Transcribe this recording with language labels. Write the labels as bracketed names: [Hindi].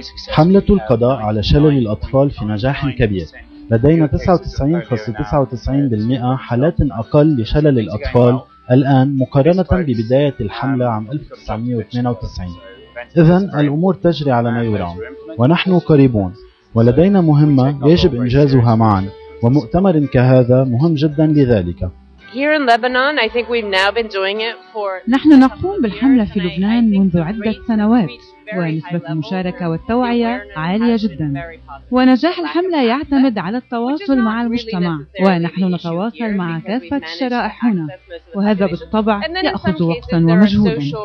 [Arabic] حملة القضاء على شلل الأطفال في نجاح كبير. لدينا 99.99% حالات أقل لشلل الأطفال الآن مقارنة ببداية الحملة عام 1992. إذن الأمور تجري على ما يرام ونحن قريبون، ولدينا مهمة يجب إنجازها معا، ومؤتمر كهذا مهم جدا لذلك. [English] Here in Lebanon, I think we've now been doing it for. [Arabic] نحن نقوم بالحملة في لبنان منذ عدة سنوات، ونسبة المشاركة والتوعية عالية جدا. ونجاح الحملة يعتمد على التواصل مع المجتمع، ونحن نتواصل مع كافة الشرائح هنا، وهذا بالطبع يأخذ وقتا ومجهودا.